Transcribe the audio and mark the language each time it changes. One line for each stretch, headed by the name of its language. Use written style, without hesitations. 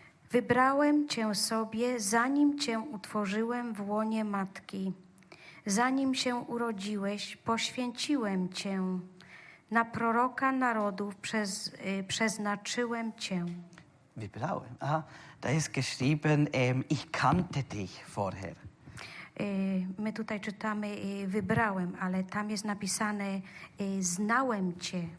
Polish: Wybrałem Cię sobie, zanim Cię utworzyłem w łonie matki. Zanim się urodziłeś, poświęciłem Cię. Na proroka narodów przeznaczyłem Cię. Wybrałem.
German: Aha, da jest geschrieben, ich kannte dich vorher.
Polish: My tutaj czytamy wybrałem, ale tam jest napisane znałem Cię.